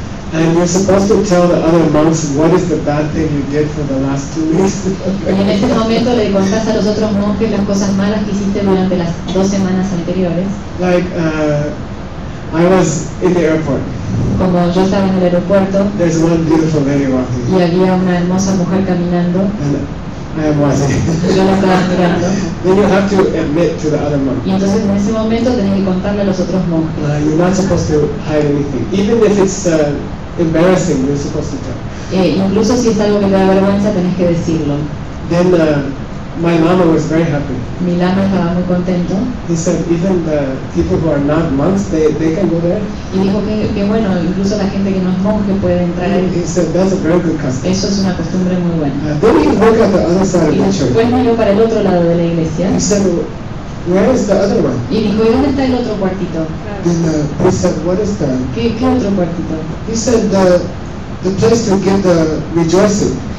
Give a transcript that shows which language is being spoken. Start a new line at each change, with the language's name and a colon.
English: And you're supposed to tell the other monks what is the bad thing you did for the last 2 weeks.
Spanish: Y en ese momento le contás a los otros monjes las cosas malas que hiciste durante las dos semanas anteriores.
English: Like, I was in the airport.
Spanish: Como yo estaba en el aeropuerto.
English: There's one beautiful lady walking.
Spanish: Y había una hermosa mujer caminando.
English: And I am watching.
Spanish: Yo la estaba mirando.
English: Then you have to admit to the other monk.
Spanish: Y entonces en ese momento tenés que contarle a los otros monjes.
English: You're not supposed to hide anything, even if it's embarrassing. You're supposed to tell.
Spanish: Incluso si es algo que te da vergüenza, tenés que decirlo.
English: Then my lama was very happy.
Spanish: Mi lama estaba muy contento.
English: He said, even the people who are not monks, they can go there.
Spanish: Y dijo que bueno, incluso la gente que no es monje puede entrar ahí.
English: He said, that's a very good custom.
Spanish: Eso es una costumbre muy buena.
English: Then he looked at the other side of the church.
Spanish: Y después miró para el otro lado de la iglesia.
English: He said, where is the other one?
Spanish: Y dijo, ¿y dónde está el otro cuartito?
English: Then he said, what is that?
Spanish: ¿Qué otro cuartito?
English: He said, the place to give the rejoicing.